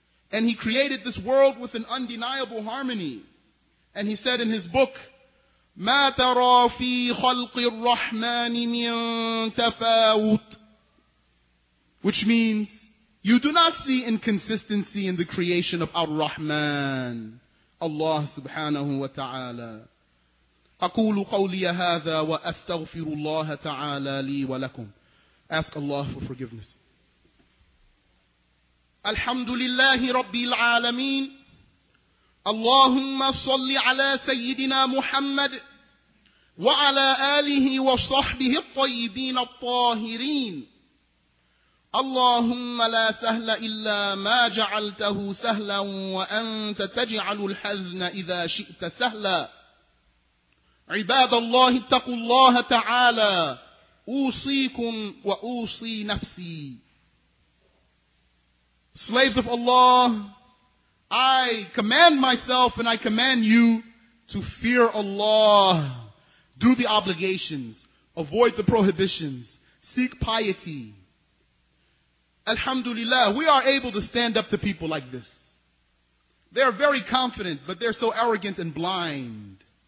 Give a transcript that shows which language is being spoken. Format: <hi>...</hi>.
<en>And He created this world with an undeniable harmony. And He said in His book,</en> <ar>مَا تَرَى فِي خَلْقِ الرَّحْمَنِ مِن تَفَاوُتٍ,</ar> <en>which means, you do not see inconsistency in the creation of Ar-Rahman, Allah subhanahu wa ta'ala.</en> <ar>أقول قولي هذا وأستغفر الله تعالى لي ولكم.</ar> <en>Ask Allah for forgiveness.</en> <ar>الحمد لله رب العالمين. اللهم صل على سيدنا محمد وعلى آله وصحبه الطيبين الطاهرين. اللهم لا سهل إلا ما جعلته سهلا وأنت تجعل الحزن إذا شئت سهلا. عباد الله اتقوا الله تعالى أوصيكم وأوصي نفسي.</ar> <en>Slaves of Allah, I command myself and I command you to fear Allah. Do the obligations, avoid the prohibitions, seek piety. Alhamdulillah, we are able to stand up to people like this. They are very confident, but they're so arrogant and blind.</en>